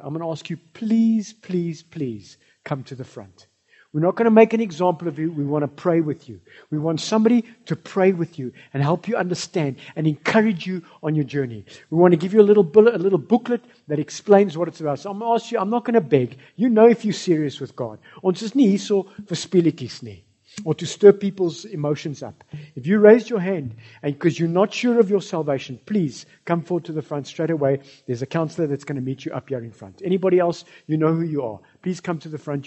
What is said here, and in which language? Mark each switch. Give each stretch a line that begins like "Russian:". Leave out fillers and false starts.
English: I'm going to ask you, please, please, please come to the front. We're not going to make an example of you. We want to pray with you. We want somebody to pray with you and help you understand and encourage you on your journey. We want to give you a little booklet that explains what it's about. So I'm going to ask you, I'm not going to beg. You know if you're serious with God.
Afrikaans: Ons is nie hierso vir speletjies nie.
English: Or to stir people's emotions up. If you raised your hand and because you're not sure of your salvation, please come forward to the front straight away. There's a counselor that's going to meet you up here in front. Anybody else, you know who you are. Please come to the front.